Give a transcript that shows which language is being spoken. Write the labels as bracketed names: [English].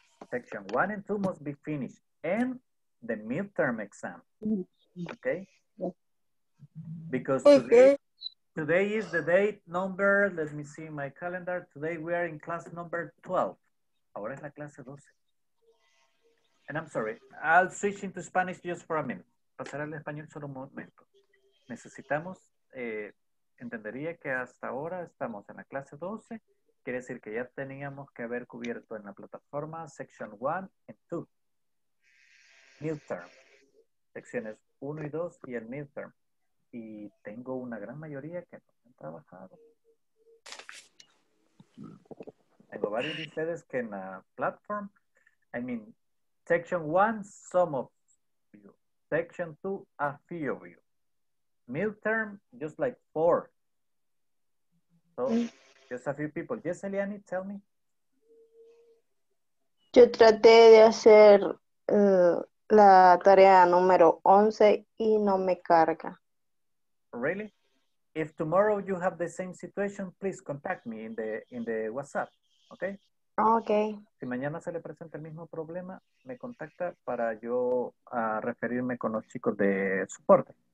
[English] Section one and two must be finished and the midterm exam, okay? Because today is the date number, let me see my calendar. Today we are in class number 12. [Spanish] Ahora es la clase 12. [English] And I'm sorry, I'll switch into Spanish just for a minute. [Spanish] Pasar al español solo un momento. Necesitamos, entendería que hasta ahora estamos en la clase 12. Quiere decir que ya teníamos que haber cubierto en la plataforma [English] section 1 and 2. [Spanish] Midterm. Secciones 1 y 2 y el midterm. Y tengo una gran mayoría que no han trabajado. Tengo varios de ustedes que en la platform, [English] Section one, some of you. Section two, a few of you. Midterm, just like four. So, just a few people. Yes, Eliani, tell me. [Spanish] Yo traté de hacer la tarea número 11 y no me carga. [English] Really? If tomorrow you have the same situation, please contact me in the WhatsApp, okay? Ok. [Spanish] Si mañana se le presenta el mismo problema, me contacta para yo referirme con los chicos de soporte.